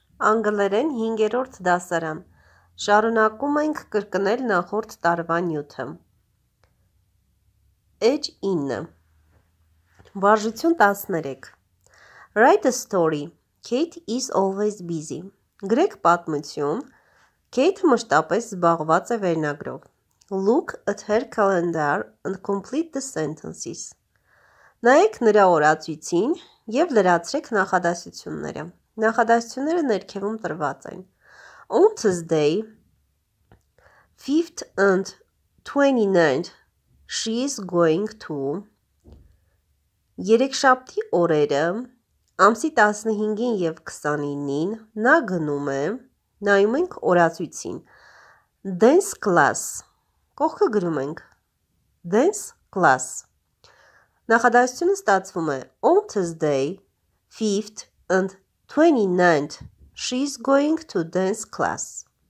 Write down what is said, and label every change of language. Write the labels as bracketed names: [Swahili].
[Armenian] անգլերեն 5-րդ դասարան, շարունակում ենք կրկնել նախորդ տարվա նյութը։ Էջ 9. [English] Վարժություն 13. Write a story. Kate is always busy. [Armenian] Գրեք պատմություն. Kate մշտապես զբաղված է վերնագրով. [English] Look at her calendar and complete the sentences. [Armenian] Նայեք նրա օրացույցին և լրացրեք նախադասությունները։ Նախադասությունները ներքևում տրված են. [English] On Tuesday, 5th and 29th, she is going to. [Armenian] Երեքշաբթի օրերը, ամսի 15-ին և 29-ին, նա գնում է, նայում ենք օրացույցին. [English] Dance class. [Armenian] Կողքը գրում ենք. [English] Dance class. [Armenian] Նախադասությունը ստացվում է [English] On Tuesday, 5th and 29th, she is going to dance class.